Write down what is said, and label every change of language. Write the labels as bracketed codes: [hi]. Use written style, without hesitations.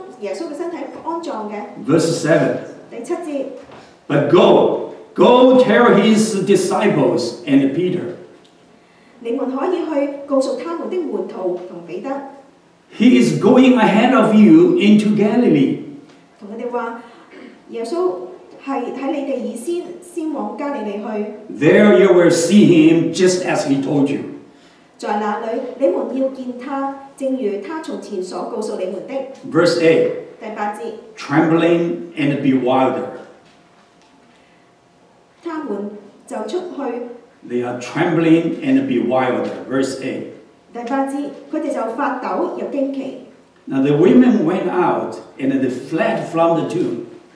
[zh] 你就看看那个地方是怎样将耶稣的身体安葬的。 [en] Verse 7. [zh] 第七节, [en] but go. Go tell his disciples and Peter. [zh] 你们可以去告诉他们的门徒和彼得。 [en] He is going ahead of you into Galilee. [zh] 同他们说，耶稣是在你们先往加利利去。 [en] There you will see him just as he told you. [zh] 在那里，你们要见他，正如他从前所告诉你们的。 [en] Verse 8. [zh] 第八节, [en] trembling and bewildered. [zh] 他们就出去。 [en] They are trembling and bewildered. Verse 8. [zh] 第八节，他们就发抖又惊奇。 [en] Now the women went out and they fled from the tomb.